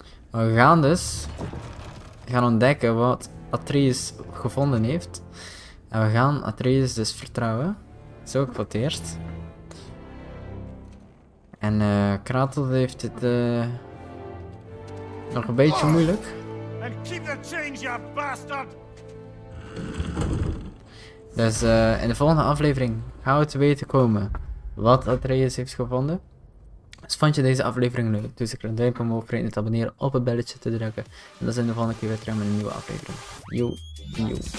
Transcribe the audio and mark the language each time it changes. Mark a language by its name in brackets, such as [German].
[Dutch] We gaan dus gaan ontdekken wat Atreus gevonden heeft. En we gaan Atreus dus vertrouwen. Zo ook voor het eerst. En Kratos heeft het nog een beetje moeilijk. [English] And keep the change, you bastard. [Dutch] Dus in de volgende aflevering gaan we te weten komen wat Atreus heeft gevonden. Dus vond je deze aflevering leuk? Doe zeker een duimpje omhoog, vergeet niet te abonneren, op het belletje te drukken. En dan zijn we de volgende keer weer terug met een nieuwe aflevering. Yo, yo.